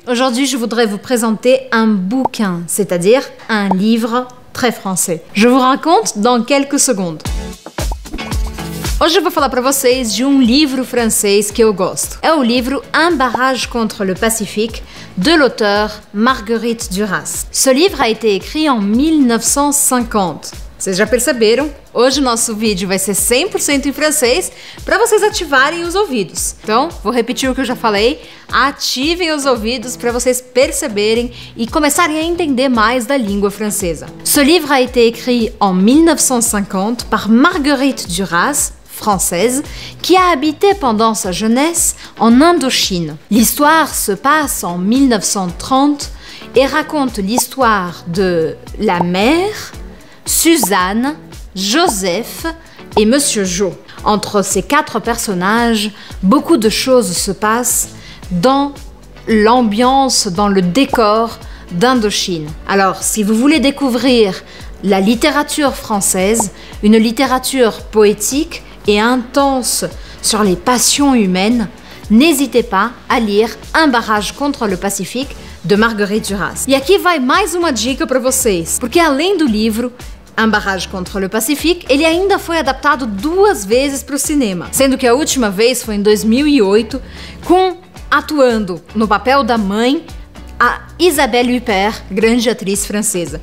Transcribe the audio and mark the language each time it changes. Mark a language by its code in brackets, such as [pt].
[fr] Aujourd'hui, je voudrais vous présenter un bouquin, c'est-à-dire un livre très français. Je vous raconte dans quelques secondes. [pt] Hoje eu vou falar para vocês de um livro francês que eu gosto. É o livro Un barrage contre le Pacifique, de l'auteur Marguerite Duras. [fr] Ce livre a été écrit en 1950. [pt] Vocês já perceberam? Hoje o nosso vídeo vai ser 100% em francês para vocês ativarem os ouvidos. Então, vou repetir o que eu já falei. Ativem os ouvidos para vocês perceberem e começarem a entender mais da língua francesa. [fr] Ce livre a été écrit en 1950 par Marguerite Duras, française, qui a habité pendant sa jeunesse en Indochine. L'histoire se passe en 1930 et raconte l'histoire de la mère, Suzanne, Joseph et Monsieur Jo. Entre ces quatre personnages, beaucoup de choses se passent dans l'ambiance, dans le décor d'Indochine. Alors, si vous voulez découvrir la littérature française, une littérature poétique et intense sur les passions humaines, n'hésitez pas à lire Un barrage contre le Pacifique de Marguerite Duras. [pt] E aqui vai mais uma dica para vocês, porque além do livro Un barrage contre le Pacifique, ele ainda foi adaptado duas vezes para o cinema, sendo que a última vez foi em 2008, atuando no papel da mãe, a Isabelle Huppert, grande atriz francesa.